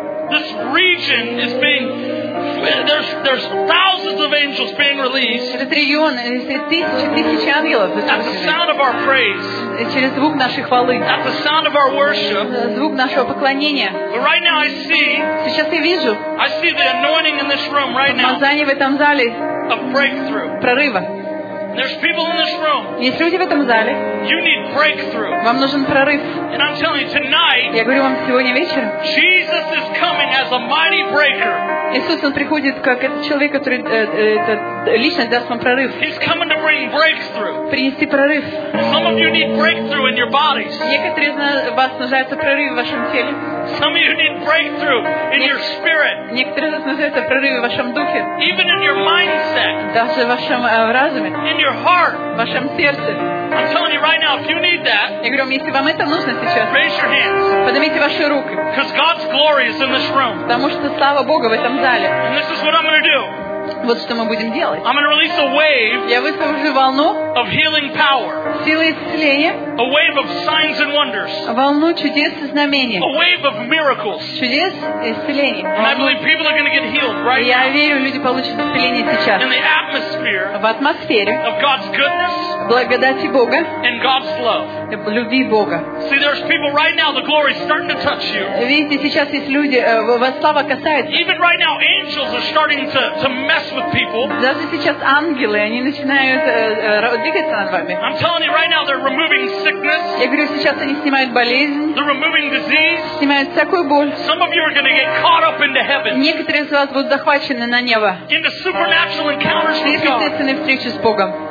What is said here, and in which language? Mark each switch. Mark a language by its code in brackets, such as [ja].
[en] This region is being there's thousands of angels being released. [ru] Этот регион, тысячи ангелов. [en] At the sound of our praise. [ru] Через звук нашей хвалы. [en] At the sound of our worship. [ru] Звук нашего поклонения. [en] But right now I see. [ru] Сейчас я вижу. [en] I see the anointing in this room right now. [ru] Помазание в этом зале. [en] A breakthrough. [ru] Прорыва. [en] There's people in this room. [ru] Есть люди в этом зале. [en] You need breakthrough. [ru] Вам нужен прорыв. [en] And I'm telling you tonight. [ru] Я говорю вам сегодня вечером. [en] Jesus is coming as a mighty breaker. [ru] Иисус, он приходит как этот человек, который личность даст вам прорыв. [en] He's coming to bring breakthrough. [ru] Принести прорыв. [en] Some of you need breakthrough in your bodies. [ru] Некоторые из вас нуждаются прорыв в вашем теле. [en] Some of you need breakthrough in your spirit. [ru] Некоторые из вас нуждаются в прорыве в вашем духе. [en] Even in your mindset. [ru] Даже в вашем разуме. [en] In your heart. [ru] В вашем сердце. [en] I'm telling you right now, if you need that, [ru] я говорю, если вам это нужно сейчас, [en] raise your hands. [ru] Поднимите ваши руки. [en] Because God's glory is in this room. [ru] Потому что слава Бога в этом зале. [en] And this is what I'm going to do. [ru] Вот что мы будем делать. [en] I'm going to release a wave. [ru] Я высвобожу волну. [en] Of healing power. [ru] Силы исцеления. [en] A wave of signs and wonders. [ru] Волну чудес и знамений. [en] A wave of miracles. [ru] Чудес и исцеления. [en] And I believe people are going to get healed right now. [ru] Я верю, люди получат исцеление сейчас. [en] In the atmosphere. [ru] В атмосфере. [en] Of God's goodness. [ru] Благодати Бога. [en] And God's love. [ru] Любви Бога. [en] See, there's people right now. The glory is starting to touch you. [ru] Видите, сейчас есть люди, вас слава касается. [en] Even right now, angels are starting to mess with people. [ru] Даже сейчас ангелы, они начинают двигаться над вами. [en] I'm telling you right now, they're removing sickness. [ru] Я говорю, сейчас они снимают болезнь. [en] They're removing disease. [ru] Снимают всякую боль. [en] Some of you are going to get caught up into heaven. [ru] Некоторые из вас будут захвачены на небо. [en] Into supernatural encounters with God. [ru] Сверхъестественные встречи с Богом.